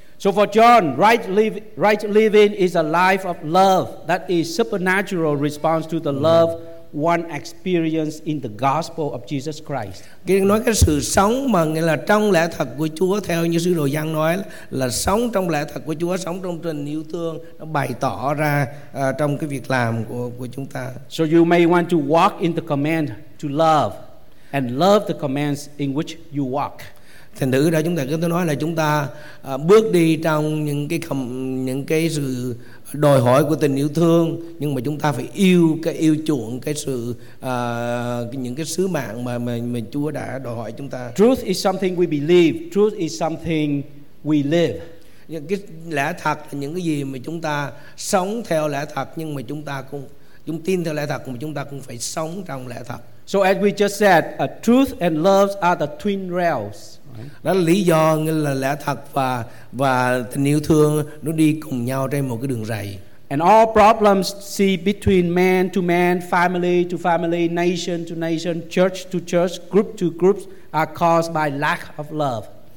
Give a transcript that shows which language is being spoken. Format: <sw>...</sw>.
<en>So for John, right living is a life of love that is supernatural response to the love one experience in the gospel of Jesus Christ.</en> <vi>Nói cái sự sống mà nghĩa là trong lẽ thật của Chúa, theo như sứ đồ Giăng nói là sống trong lẽ thật của Chúa, sống trong tình yêu thương, nó bày tỏ ra trong cái việc làm của chúng ta.</vi> <en>So you may want to walk in the command to love and love the commands in which you walk.</en> <vi>Thành thử ra chúng ta, tôi nói là chúng ta bước đi trong những cái sự đòi hỏi của tình yêu thương, nhưng mà chúng ta phải yêu chuộng cái sự những cái sứ mạng mà Chúa đã đòi hỏi chúng ta.</vi> <en>Truth is something we believe. Truth is something we live.</en> <vi>Những cái lẽ thật là những cái gì mà chúng ta sống theo lẽ thật, nhưng mà chúng tin theo lẽ thật mà chúng ta cũng phải sống trong lẽ thật.</vi> <en>So as we just said, truth and love are the twin rails.</en> <vi>Đó là lý do nghĩa là lẽ thật và tình yêu thương nó đi cùng nhau trên một cái đường ray.</vi> <en>And all problems see between man to man, family to family, nation to nation, church to church, group to group are caused by lack of love.</en>